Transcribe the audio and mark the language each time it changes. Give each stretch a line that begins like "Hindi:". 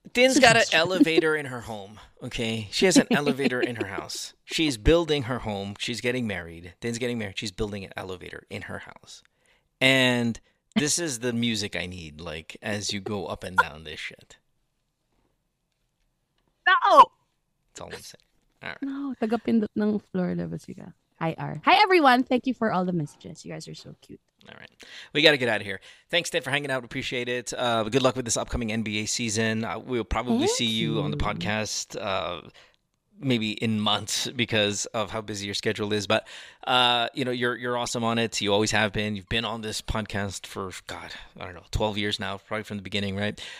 English: Din's got an elevator in her home. Okay. She has an elevator in her house. She's building her home. She's getting married. Din's getting married. She's building an elevator in her house. And this is the music I need, like, as you go up and down this shit. No! That's all I'm saying.
Filipino: No, tagapindot ng floor level siya.
English: Hi, R. Hi, everyone. Thank you for all the messages. You guys are so cute. All right. We got to get out of here. Thanks, Tim, for hanging out. Appreciate it. Good luck with this upcoming NBA season. We'll probably see you on the podcast maybe in months because of how busy your schedule is. But, you know, you're awesome on it. You always have been. You've been on this podcast for, God, I don't know, 12 years now, probably from the beginning, right?